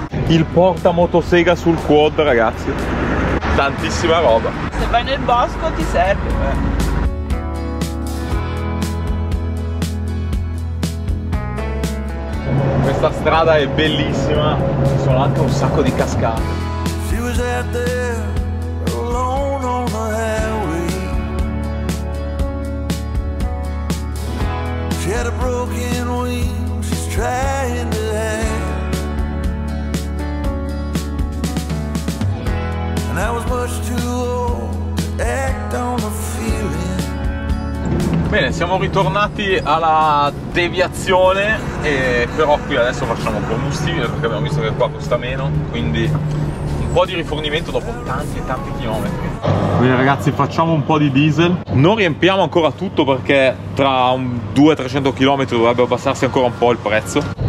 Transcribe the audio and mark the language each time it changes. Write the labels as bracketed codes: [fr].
[it] Il porta motosega sul quad, ragazzi. Tantissima roba. Se vai nel bosco ti serve. Questa strada è bellissima. Ci sono anche un sacco di cascate. [en] She was out there alone on the highway. She had a broken wing. She's trying to hang. I was much too old to act on a feeling. [it] Bene, siamo ritornati alla deviazione e però qui adesso facciamo combustibile perché abbiamo visto che qua costa meno, quindi un po' di rifornimento dopo tanti e tanti chilometri. Bene ragazzi, facciamo un po' di diesel. Non riempiamo ancora tutto perché tra 200-300 chilometri dovrebbe abbassarsi ancora un po' il prezzo.